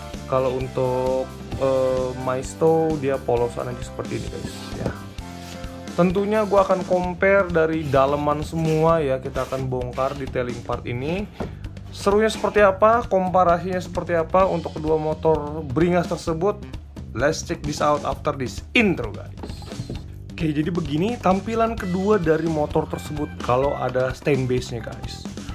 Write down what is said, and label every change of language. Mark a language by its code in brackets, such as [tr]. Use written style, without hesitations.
[id] Kalau untuk Maisto, dia polosan aja seperti ini guys ya. Tentunya gua akan compare dari daleman semua ya. Kita akan bongkar detailing part ini. Serunya seperti apa, komparasinya seperti apa untuk kedua motor beringas tersebut? [en] Let's check this out after this intro guys. [id] Oke, jadi begini tampilan kedua dari motor tersebut kalau ada stain base-nya guys.